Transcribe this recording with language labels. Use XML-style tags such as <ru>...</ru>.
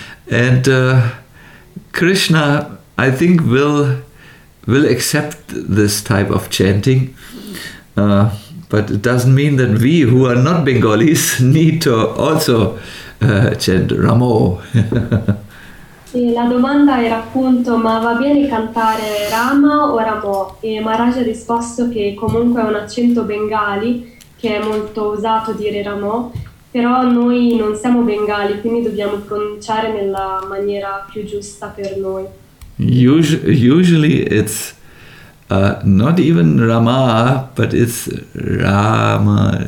<en>And Krishna, I think, will accept this type of chanting. But it doesn't mean that we, who are not Bengalis, need to also chant Ramo.</en> <it>E la domanda era appunto, ma va bene cantare Rama o Ramo? E Maharaj ha risposto che comunque è un accento bengali, che è molto usato dire Ramo, però noi non siamo bengali, quindi dobbiamo pronunciare nella maniera più giusta per noi.</it> <en>Usually it's not even Rama, but it's Rama.</en>